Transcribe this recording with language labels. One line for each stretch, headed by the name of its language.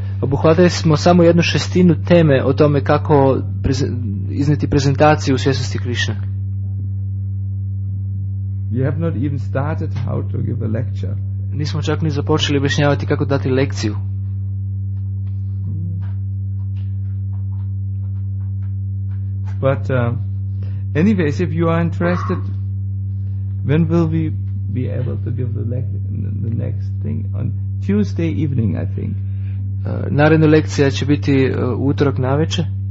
Croatian: Obuhvatili smo samo 1/6 teme o tome kako iznijeti prezentaciju svjesnosti Krišna.
English: We have not even started how to give a lecture.
Croatian: Nismo čak ni započeli objašnjavati kako dati lekciju.
English: But Anyways, if you are interested, when will we be able to give the next thing? On Tuesday evening, I think.
Croatian: Naredna lekcija će biti utorak naveče.